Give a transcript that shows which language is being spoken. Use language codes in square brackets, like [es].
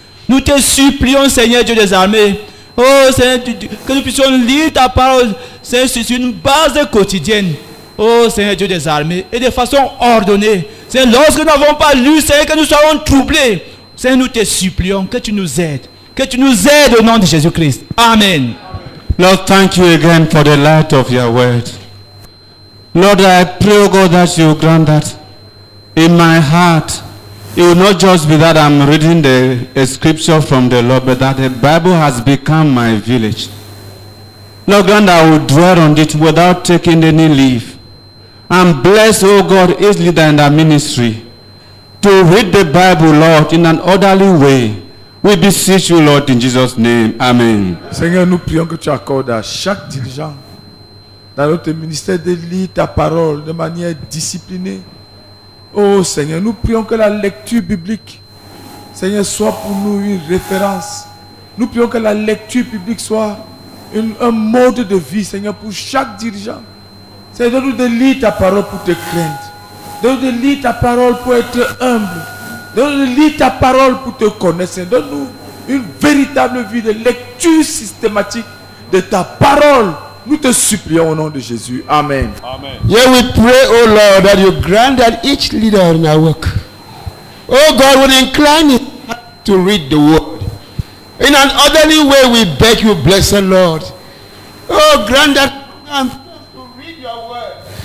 [fr] Nous te supplions, Seigneur Dieu des armées, oh Seigneur, que nous puissions lire ta parole, Seigneur, sur une base quotidienne. Oh Seigneur Dieu des armées, et de façon ordonnée. Seigneur, lorsque nous n'avons pas lu, Seigneur, que nous soyons troublés. Seigneur, nous te supplions que tu nous aides. Que tu nous aides au nom de Jésus-Christ. Amen. [en] Lord, thank you again for the light of your word. Lord, I pray, oh God, that you grant that in my heart. It will not just be that I'm reading a scripture from the Lord, but that the Bible has become my village. Lord God, I will dwell on it without taking any leave. And bless, oh God, each leader in the ministry to read the Bible, Lord, in an orderly way. We beseech you, Lord, in Jesus' name. Amen. [fr] Seigneur, nous prions que tu accordes à chaque dirigeant dans notre ministère de lire ta parole de manière disciplinée. Oh Seigneur, nous prions que la lecture biblique, Seigneur, soit pour nous une référence. Nous prions que la lecture biblique soit un mode de vie, Seigneur, pour chaque dirigeant. Seigneur, donne-nous de lire ta parole pour te craindre. Donne-nous de lire ta parole pour être humble. Donne-nous de lire ta parole pour te connaître. Seigneur, donne-nous une véritable vie de lecture systématique de ta parole. Nous te supplions au nom de Jésus. Amen. Amen. [en] Yeah, we pray, O Lord, that you grant that each leader in our work, O God, would incline his heart to read the word. In an orderly way, we beg you, blessed Lord, O grant that to read your word.